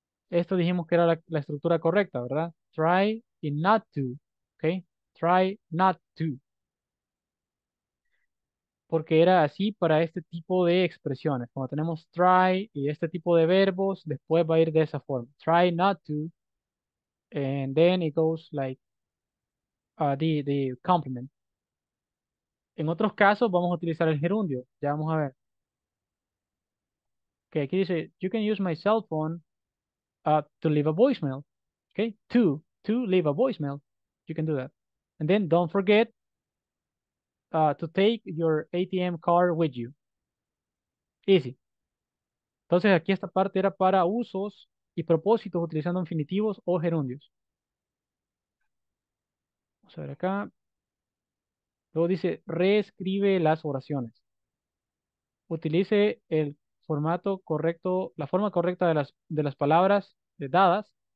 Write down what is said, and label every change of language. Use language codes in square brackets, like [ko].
[es] Esto dijimos que era la estructura correcta, ¿verdad? [en] Try and not to, [es] ¿ok? [en] Try not to. [es] Porque era así para este tipo de expresiones. Cuando tenemos try y este tipo de verbos, después va a ir de esa forma. [en] Try not to, and then it goes like the complement. [es] En otros casos vamos a utilizar el gerundio. Ya vamos a ver. [en] Ok, [es] aquí dice, [en] you can use my cell phone to leave a voicemail, okay? To leave a voicemail, you can do that. And then don't forget to take your ATM card with you, Easy. [es] Entonces aquí esta parte era para usos y propósitos utilizando infinitivos o gerundios. Vamos a ver acá. Luego dice, reescribe las oraciones. Utilice el formato correcto, la forma correcta de las palabras dadas.